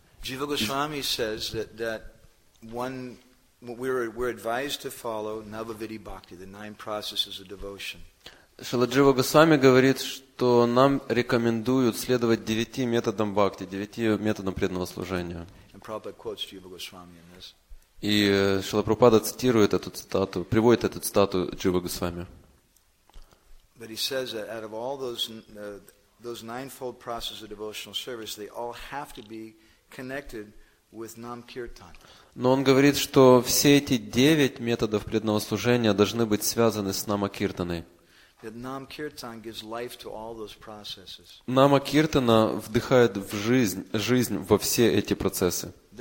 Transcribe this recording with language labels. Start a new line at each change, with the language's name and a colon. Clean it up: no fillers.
English: Jiva Goswami says that one, we're advised to follow Navaviti Bhakti, the nine processes of devotion.
Russian: Шрила Джива Госвами говорит, что нам рекомендуют следовать девяти методам бхакти, девяти методам преданного служения.
English: And Prabhupada quotes Jiva Goswami in this.
Russian: И Шрила Прабхупада цитирует эту цитату, приводит эту цитату Джива Госвами.
English: But he says that out of all those ninefold processes of devotional service, they all have to be connected with Nam Kirtan.
Russian: Но он говорит, что все эти девять методов преданного служения должны быть связаны с Намакиртаной. Намакиртана вдыхает в жизнь во все эти процессы.